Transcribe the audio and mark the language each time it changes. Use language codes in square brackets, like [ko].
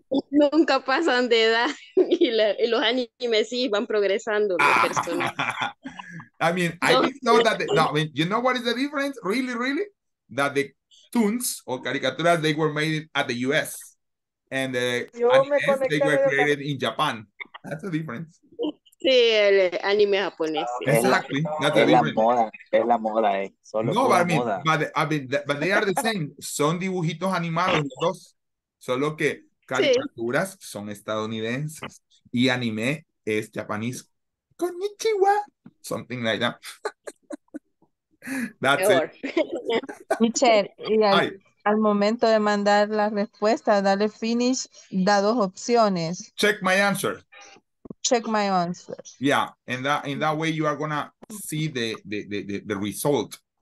[es] Nunca pasan de edad y los animes sí van progresando los personajes. [en] I mean, I didn't know that. You know what is the difference? Really, really? That the toons [es] o caricaturas, [en] they were made at the US. And the animes, they were created in Japan. That's the difference. [es] Sí, el anime japonés. Sí. [en] Exactly. [es] Es la moda. [en] But they are the same. [es] Son dibujitos animados los dos. Solo que caricaturas son estadounidenses y anime es japonés. [en] Konnichiwa. Something like that. That's it. [es] Michelle, al momento de mandar la respuesta, dale finish, da dos opciones. [en] Check my answer. Yeah, and in that way you are gonna see the result.